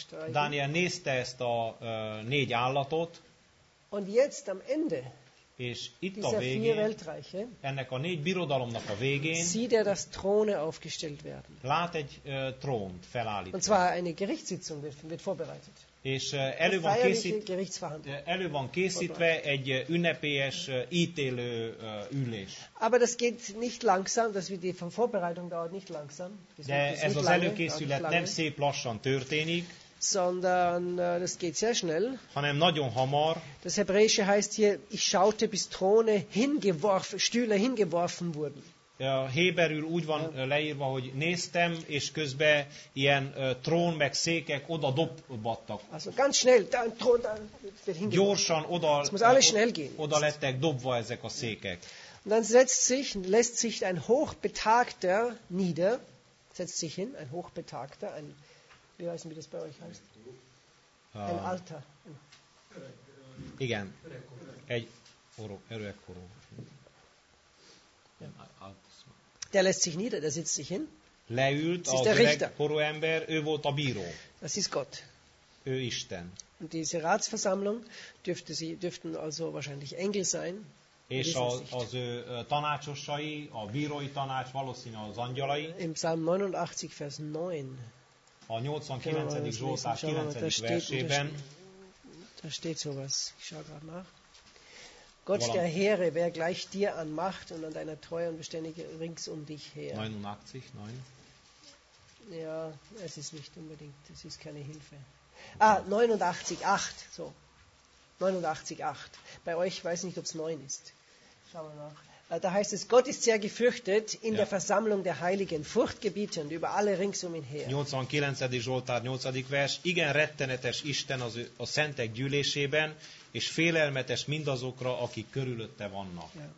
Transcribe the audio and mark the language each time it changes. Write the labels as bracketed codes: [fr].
[hu] Daniel nézte ezt a négy állatot. [de] Und jetzt am Ende. [hu] És itt a végén, ennek a négy birodalomnak a végén. [de] Sieht er, dass Throne aufgestellt werden. [hu] Lát egy trónt felállítva. [de] Und zwar eine Gerichtssitzung wird vorbereitet. [hu] És elő van, elő van készítve egy ünnepélyes ítélő ülés. [de] Aber das geht nicht langsam, das wird die von Vorbereitung dauert nicht langsam. [hu] De ez az előkészület nem szép lassan történik, [de] sondern das geht sehr schnell. [hu] Hanem nagyon hamar. [de] Das Hebräische heißt hier, ich schaute bis Throne hingeworfen, Stühle hingeworfen wurden. [hu] A héberül úgy van leírva, hogy néztem, és közben ilyen trón meg székek oda dobbattak. [de] Also ganz schnell, dann Thron, dann [hu] gyorsan oda, [de] es muss alles schnell gehen. [hu] Oda lettek dobva ezek a székek. [de] Und dann setzt sich, lässt sich ein hochbetagter nieder, setzt sich hin, ein hochbetagter, ein, wie heißt denn, wie das bei euch heißt? Ein alter. [hu] Igen, egy öregkorú. [de] Ja. Der lässt sich nieder, der sitzt sich hin. [hu] Leült, [de] das ist der Richter. [hu] Korú ember, ő volt a bíró. [de] Das ist Gott. [hu] Ő Isten. [de] Und diese Ratsversammlung dürfte sie, dürften also wahrscheinlich Engel sein. [hu] És az ő tanácsosai, a bírói tanács valószínűleg az angyalai. [de] Im Psalm 89, Vers 9. [hu] A 89. Zsoltár 9. versében. [de] Da steht sowas. Ich schaue gerade nach. Gott der Heere, wer gleich dir an Macht und an deiner Treue und Beständigkeit rings um dich her. 89, 9. Ja, es ist nicht unbedingt, es ist keine Hilfe. Ah, 89, 8. So. 89, 8. Bei euch weiß ich nicht, ob es 9 ist. Schauen wir nach. Da heißt es, Gott ist sehr gefürchtet in der Versammlung der Heiligen, furchtgebietend über alle rings um ihn her. [hu] 89. Zsoltár 8. vers. Igen rettenetes Isten az a szentek gyűlésében, és félelmetes mindazokra, akik körülötte vannak.